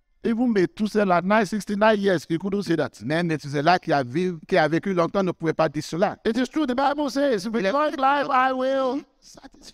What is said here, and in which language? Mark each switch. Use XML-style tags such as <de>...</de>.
<en>Even Methuselah, like 969 years, he couldn't say that.</en> <fr>Même Methuselah qui a vécu longtemps ne pouvait pas dire cela.</fr> <en>It is true, the Bible says, with long life I will satisfy.</en>